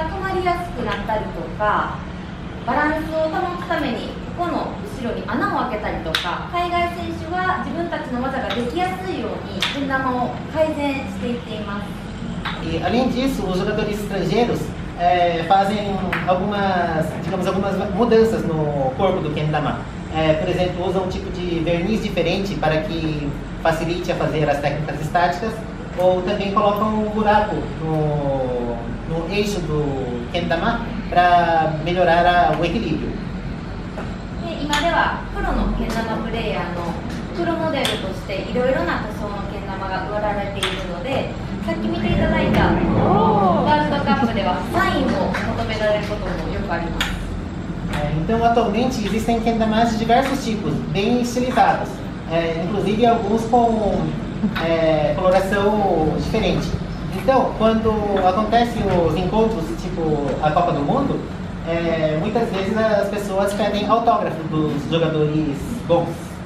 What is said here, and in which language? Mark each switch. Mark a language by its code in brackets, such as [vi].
[pt] O Kendama é diferente do Kendama. [ja] バランスを保つためにここの後ろに穴を開けたりとか、海外選手は自分たちの技ができやすいようにけん玉を改善していっています。 [pt] E, além disso, os jogadores estrangeiros fazem algumas, digamos, algumas mudanças no corpo do kendama. Por exemplo, usam um tipo de verniz diferente para que facilite a fazer as técnicas estáticas, ou também colocam um buraco no eixo do kendama. Para melhorar o equilíbrio. E agora, o [ja] プロのけん玉プレイヤーのプロモデルとしていろいろな塗装のけん玉が売られているので、さっき見ていただいたワールドカップではサインを求められることもよくあります。 [pt] Então, atualmente existem けん玉de diversos tipos, bem estilizados, inclusive alguns com coloração diferente. Então, quando acontecem os encontros, tipo a Copa do Mundo, muitas vezes as pessoas pedem autógrafos dos jogadores bons.